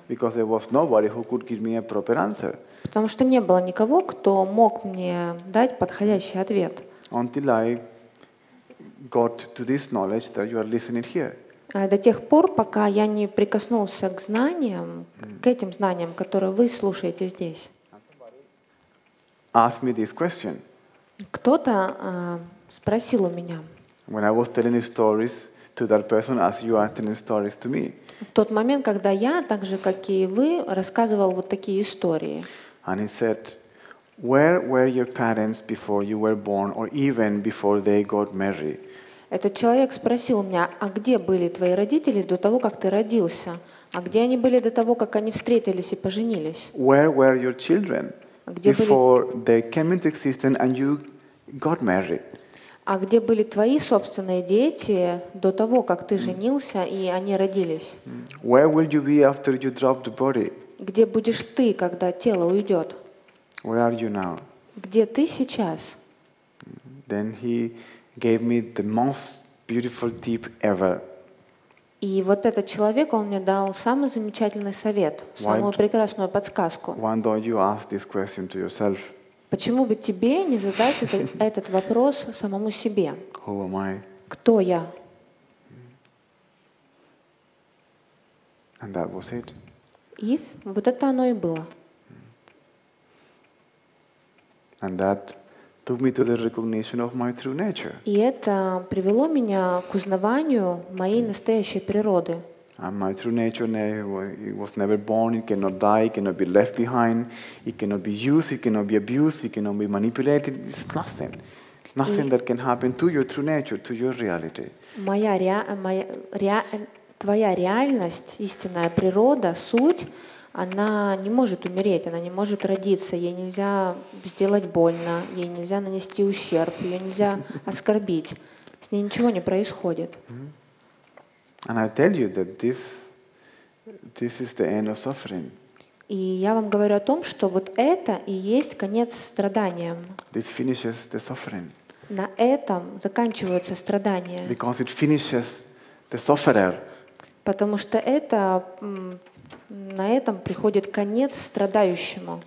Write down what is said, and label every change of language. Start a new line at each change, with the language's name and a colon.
English: Because there was nobody who could give me a proper answer.
Russian: Потому что не было никого, кто мог мне дать подходящий ответ.
English: until I got to this knowledge that you are listening here.
Russian: До тех пор, пока я не прикоснулся к знаниям, к этим знаниям, которые вы слушаете здесь.
English: Ask me this question.
Russian: Кто-то спросил у меня.
English: When I was telling stories to that person, as you are telling stories to me.
Russian: В тот момент, когда я, так же, как и вы, рассказывал вот такие истории.
English: And he said, where were your parents before you were born, or even before they got married?
Russian: Этот человек спросил у меня, а где были твои родители до того, как ты родился? А где они были до того, как они встретились и поженились?
English: Where were your children before they came into existence and you got married?
Russian: А где были твои собственные дети до того, как ты женился и они родились?
English: Where will you be after you drop the body?
Russian: Где будешь ты, когда тело уйдет?
English: Where are you now?
Russian: Где ты сейчас?
English: Then he gave me the most beautiful tip ever.
Russian: И вот этот человек, он мне дал самый замечательный совет, самую прекрасную подсказку.
English: Why don't you ask this question to yourself?
Russian: Почему бы тебе не задать этот вопрос самому себе?
English: Who am I?
Russian: Кто я?
English: And that was it.
Russian: И вот это оно и было.
English: And that took me to the recognition of my true nature.
Russian: И это привело меня к узнаванию моей настоящей природы.
English: And my true nature, it was never born, it cannot die, it cannot be left behind, it cannot be used, it cannot be abused, it cannot be manipulated. It's nothing. Nothing that can happen to your true nature, to your reality.
Russian: Твоя реальность, истинная природа, суть, она не может умереть, она не может родиться, ей нельзя сделать больно, ей нельзя нанести ущерб, ее нельзя оскорбить. С ней ничего не происходит.
English: And I tell you that this is the end of suffering.
Russian: И я вам говорю о том, что вот это и есть конец страданиям.
English: This finishes the suffering.
Russian: На этом заканчиваются страдания.
English: Because it finishes the sufferer.
Russian: Потому что это на этом приходит конец страдающему.